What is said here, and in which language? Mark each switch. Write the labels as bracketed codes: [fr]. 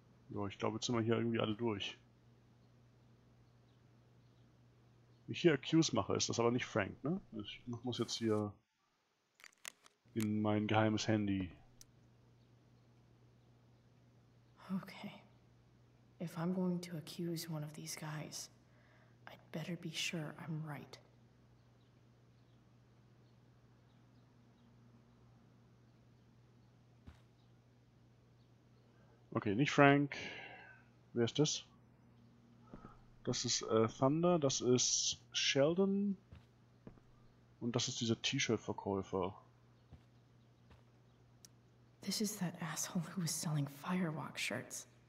[de] Ja, ich glaube, jetzt sind wir hier irgendwie alle durch. Ich hier Accuse mache, ist das aber nicht Frank, ne? Ich muss jetzt hier in mein geheimes Handy. Okay. [en] If I'm going to accuse one of these guys, I'd better be sure I'm right. [de] Okay, nicht Frank. Wer ist das? Das ist Thunder, das ist Sheldon und das ist dieser T-Shirt-Verkäufer. [en] This is that asshole who was selling Firewalk shirts.